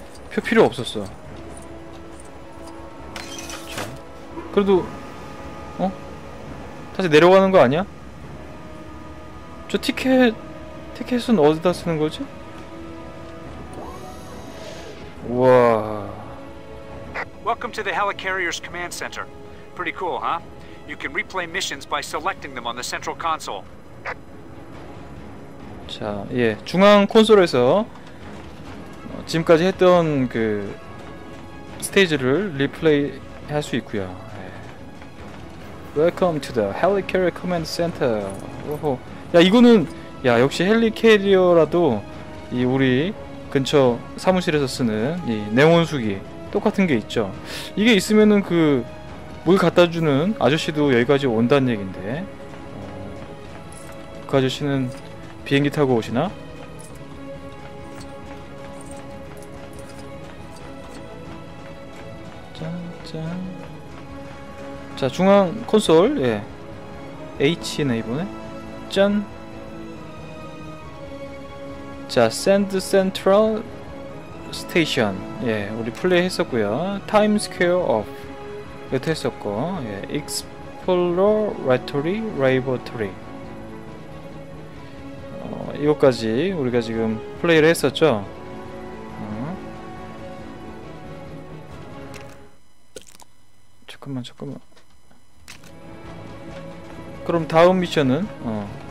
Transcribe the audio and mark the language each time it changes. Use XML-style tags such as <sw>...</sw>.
<ko>표 필요 없었어. 그래도 어? 다시 내려가는 거 아니야? 저 티켓은 어디다 쓰는 거지? 우와.</ko> <en>Welcome to the Helicarrier's command center. Pretty cool, huh? You can replay missions by selecting them on the central console.</en> <ko>자, 예. 중앙 콘솔에서 지금까지 했던 그 스테이지를 리플레이 할 수 있고요. 예.</ko> <en>Welcome to the Helicarrier command center. 오호.</en> <ko>야, 이거는, 야, 역시 헬리캐리어라도 이 우리 근처 사무실에서 쓰는 이 냉온수기 똑같은 게 있죠. 이게 있으면은 그 물 갖다 주는 아저씨도 여기까지 온다는 얘긴데. 그 아저씨는 비행기 타고 오시나? 짠, 짠. 자, 중앙 콘솔, 예. H네, 이번에. 짠. 자, Send Central Station. 예, 우리 플레이 했었고요. Times Square of 이것도 했었고, 예, Exploratory Laboratory. 어, 이것까지 우리가 지금 플레이를 했었죠. 어. 잠깐만, 잠깐만. 그럼 다음 미션은 어.</ko>